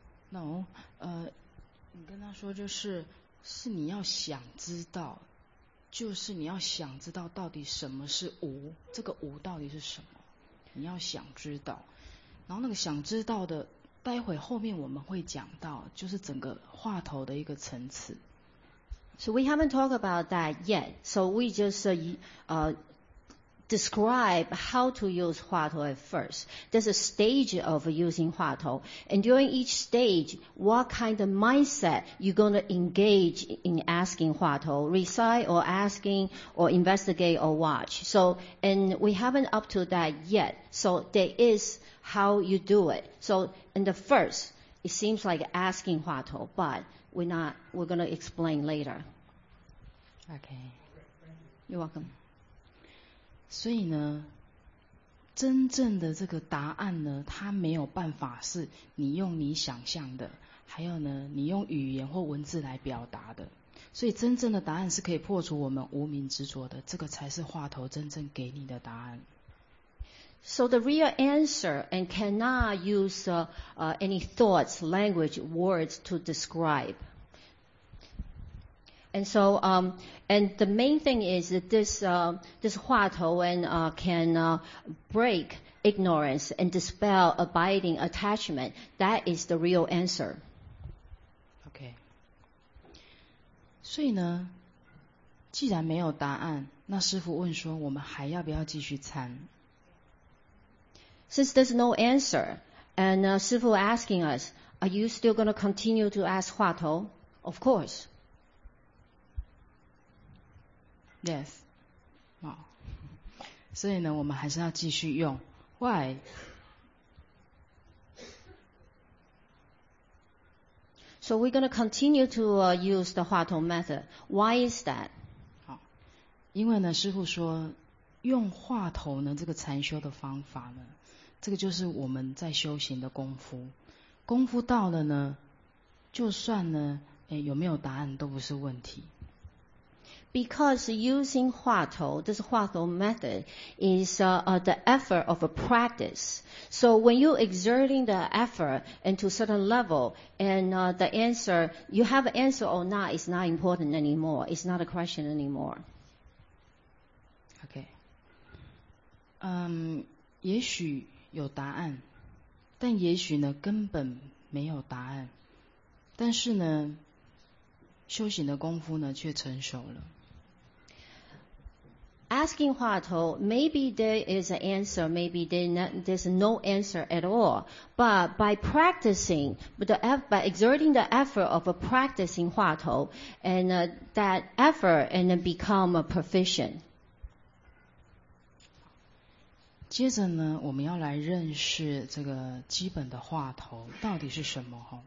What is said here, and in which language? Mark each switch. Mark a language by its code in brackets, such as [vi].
[zh] No, 你跟他说就是你要想知道。就是你要想知道到底什么是无，这个无到底是什么，你要想知道，然后那个想知道的待会后面我们会讲到，就是整个话头的一个层次。 [en] So we haven't talked about that yet, so we just describe how to use 话头 at first. There's a stage of using 话头, and during each stage, what kind of mindset you're going to engage in asking 话头, recite or asking or investigate or watch. So, and we haven't up to that yet. So there is how you do it. So in the first, it seems like asking 话头, but we're going to explain later. Okay. You're welcome. [zh] 所以呢，真正的这个答案呢，它没有办法是你用你想象的，还有呢，你用语言或文字来表达的。所以真正的答案是可以破除我们无明执着的，这个才是话头真正给你的答案。 [en] So the real answer and cannot use any thoughts, language, words to describe. And so, and the main thing is that this 话头 and can break ignorance and dispel abiding attachment. That is the real answer. Okay. [zh] 所以呢，既然没有答案，那师父问说，我们还要不要继续参？ [en] Since there's no answer, and 师父 asking us, are you still going to continue to ask 话头？ Of course. Yes. [zh] 所以呢，我们还是要继续用。 [en] Why? So we're going to continue to use the 话筒 method. Why is that? [zh] 好，因为呢，师父说，用话筒呢，这个禅修的方法呢，这个就是我们在修行的功夫。功夫到了呢，就算呢，哎，有没有答案都不是问题。 [en] Because using 话头, this 话头 method is the effort of a practice. So when you're exerting the effort and to a certain level, and the answer, you have an answer or not, it's not important anymore. It's not a question anymore. Okay. [zh] 也许有答案，但也许呢根本没有答案。但是呢，修行的功夫呢却成熟了。 [en] Asking 话头, maybe there is an answer, maybe there's no answer at all. But by practicing, by exerting the effort of practicing 话头, and that effort and then become a proficient. [zh] 接着呢，我们要来认识这个基本的话头到底是什么。